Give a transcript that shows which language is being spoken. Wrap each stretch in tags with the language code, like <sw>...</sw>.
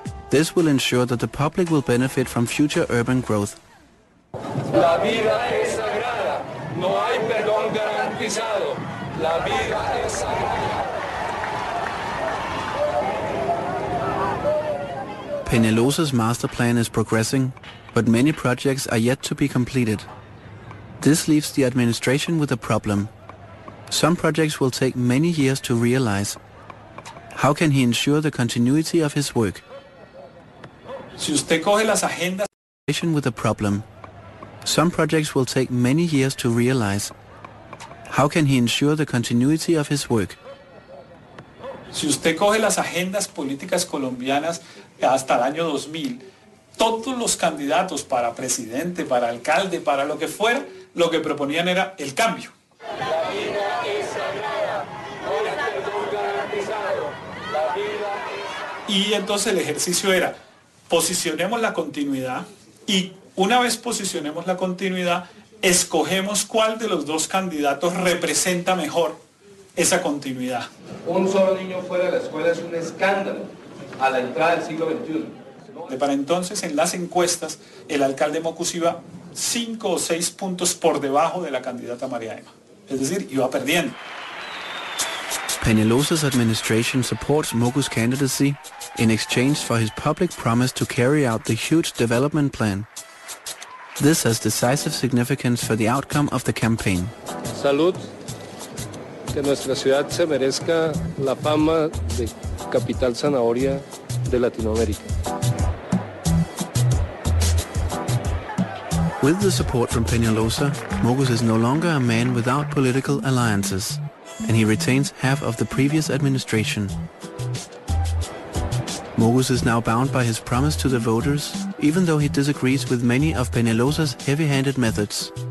<en>This will ensure that the public will benefit from future urban growth.</en> <es>La vida es sagrada, no hay perdón garantizado. La vida es sagrada.</es> <en>Peñalosa's master plan is progressing, but many projects are yet to be completed. This leaves the administration with a problem. Some projects will take many years to realize. How can he ensure the continuity of his work?</en> <es>Si usted coge las agendas...</es> <en>...with a problem. Some projects will take many years to realize. How can he ensure the continuity of his work?</en> <es>Si usted coge las agendas políticas colombianas hasta el año 2000, todos los candidatos para presidente, para alcalde, para lo que fuera, lo que proponían era el cambio. La vida es sagrada, no hay perdón garantizado. La vida es... Y entonces el ejercicio era... Posicionemos la continuidad y una vez posicionemos la continuidad, escogemos cuál de los dos candidatos representa mejor esa continuidad. Un solo niño fuera de la escuela es un escándalo a la entrada del siglo XXI. De para entonces, en las encuestas, el alcalde Mocus iba 5 o 6 puntos por debajo de la candidata María Emma. Es decir, iba perdiendo.</es> <en>Peñalosa's administration supports Mocus' candidacy in exchange for his public promise to carry out the huge development plan. This has decisive significance for the outcome of the campaign.</en> <es>Salud, que nuestra ciudad se merezca la fama de capital zanahoria de Latinoamérica.</es> <en>With the support from Peñalosa, Mocus is no longer a man without political alliances. And he retains half of the previous administration. Mocus is now bound by his promise to the voters, even though he disagrees with many of Peñalosa's heavy-handed methods.</en>